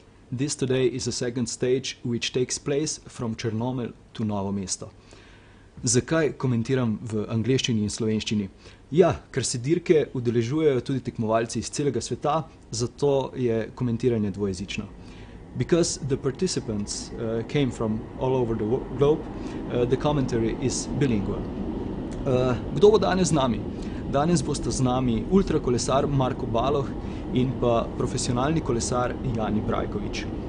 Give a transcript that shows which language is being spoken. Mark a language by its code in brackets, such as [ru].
[en] This today is a second stage which takes place from Črnomelj to Novo mesto. [sl] Zakaj komentiram v angleščini in slovenščini? Ja, ker se dirke udeležujejo tudi tekmovalci iz celega sveta, zato je komentiranje dvojezično. [en] Because the participants came from all over the globe, the commentary is bilingual. [sl] Kdo bo danes z nami? Danes bosta z nami ultrakolesar Marko Baloh in pa profesionalni kolesar Jani Brajkovič.